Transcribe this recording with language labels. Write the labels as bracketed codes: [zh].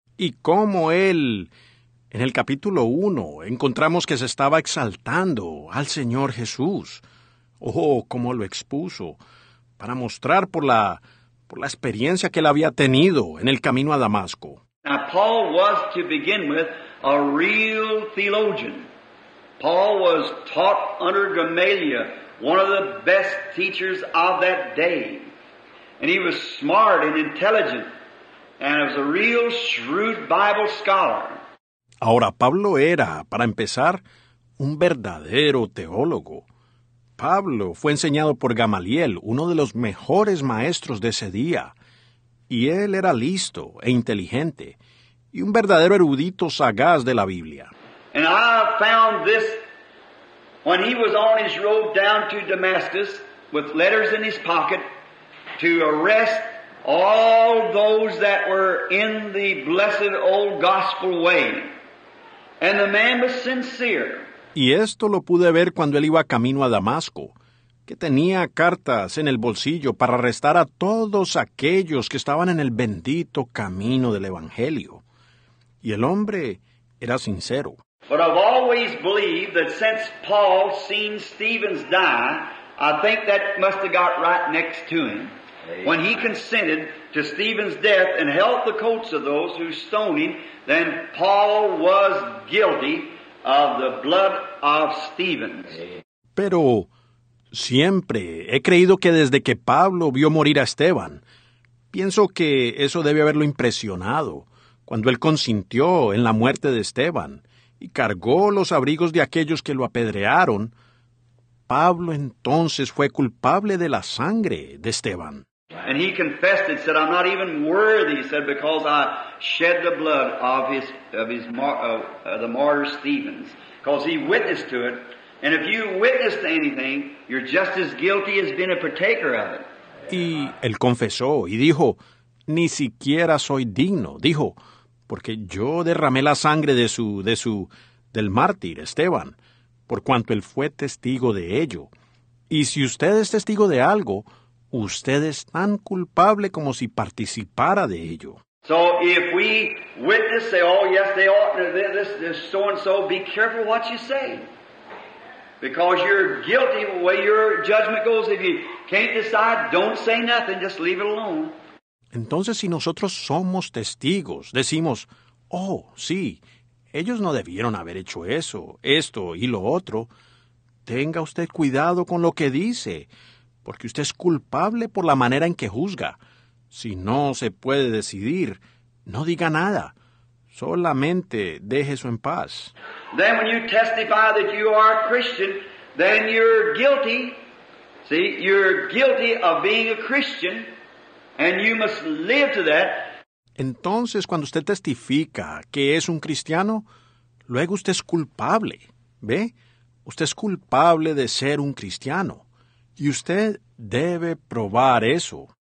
[es] Y cómo él, en el capítulo 1, encontramos que se estaba exaltando al Señor Jesús. Oh, cómo lo expuso para mostrar por la experiencia que él había tenido en el camino a Damasco. [en] Now, Paul was, to begin with, a real theologian. Paul was taught under Gamaliel, one of the best teachers of that day. And he was smart and intelligent, and was a real shrewd Bible scholar. [es] Ahora, Pablo era, para empezar, un verdadero teólogo. Pablo fue enseñado por Gamaliel, uno de los mejores maestros de ese día. Y él era listo e inteligente, y un verdadero erudito sagaz de la Biblia. [en] And I found this when he was on his road down to Damascus with letters in his pocket to arrest all those that were in the blessed old gospel way. And the man was sincere. [es] Y esto lo pude ver cuando él iba camino a Damasco, que tenía cartas en el bolsillo para arrestar a todos aquellos que estaban en el bendito camino del Evangelio. Y el hombre era sincero. [en] But I've always believed that since Paul seen Stephen's die, I think that must have got right next to him. When he consented to Stephen's death and held the coats of those who stoned him, then Paul was guilty of the blood of Stephen's. [es] Pero siempre he creído que desde que Pablo vio morir a Esteban, pienso que eso debe haberlo impresionado, cuando él consintió en la muerte de Esteban y cargó los abrigos de aquellos que lo apedrearon, Pablo entonces fue culpable de la sangre de Esteban. Wow. [en] And he confessed it, said, I'm not even worthy, said, because I shed the blood of the martyr Stephen's. Because he witnessed to it. And if you witness to anything, you're just as guilty as being a partaker of it. [es] Y él confesó y dijo, ni siquiera soy digno, dijo, porque yo derramé la sangre del mártir Esteban, por cuanto él fue testigo de ello. Y si usted es testigo de algo, usted es tan culpable como si participara de ello. [en] So if we witness, say, oh yes, they ought to, this so and so, be careful what you say. Because you're guilty the way your judgment goes. If you can't decide, don't say nothing, just leave it alone. [es] Entonces, si nosotros somos testigos, decimos, oh, sí, ellos no debieron haber hecho eso, esto y lo otro, tenga usted cuidado con lo que dice, porque usted es culpable por la manera en que juzga. Si no se puede decidir, no diga nada. Solamente deje eso en paz. [en] Then when you testify that you are a Christian, then you're guilty. See, you're guilty of being a Christian, and you must live to that. [es] Entonces, cuando usted testifica que es un cristiano, luego usted es culpable, ¿ve? Usted es culpable de ser un cristiano, y usted debe probar eso.